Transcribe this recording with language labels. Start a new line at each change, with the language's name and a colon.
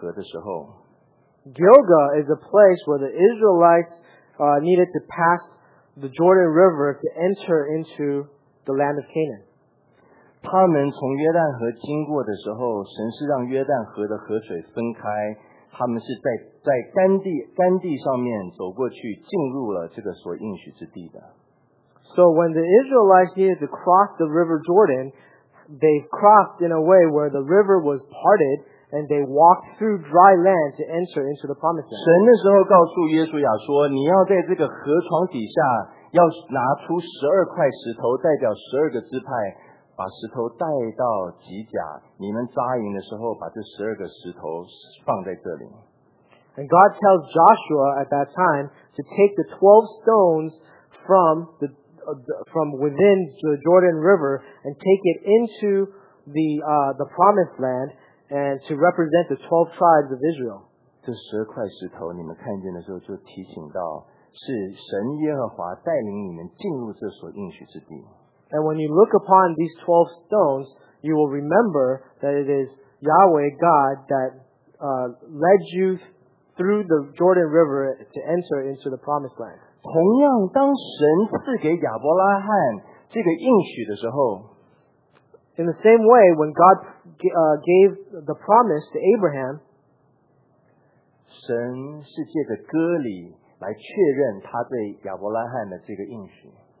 Chinese: 基甲是以色列人要进到所应许之地过约旦河的时候。Gilgal
English: is a place where the Israelites needed to pass the Jordan River to enter into the land of Canaan.
Chinese: 他们从约旦河经过的时候，神是让约旦河的河水分开，他们是在干地上面走过去，进入了这个所应许之地的。
English: So when the Israelites needed to cross the River Jordan, they crossed in a way where the river was parted, and they walked through dry land to enter into the Promised Land.
Chinese: 神那时候告诉约书亚说，你要在这个河床底下，要拿出十二块石头，代表十二个支派。把石头带到基甲，你们扎营的时候把这十二个石头放在这里。
English: And God tells Joshua at that time to take the 12 stones from within the Jordan River and take it into the promised land and to represent the 12 tribes of Israel.
Chinese: 这十二块石头你们看见的时候就提醒到是神耶和华带领你们进入这所应许之地。
English: And when you look upon these 12 stones, you will remember that it is Yahweh God that led you through the Jordan River to enter into the Promised Land.
Chinese: 同样，当神赐给亚伯拉罕这个应许的时候，
English: In the same way, when God gave the promise to Abraham,
Chinese: 神是借着割礼来确认他对亚伯拉罕的这个应许。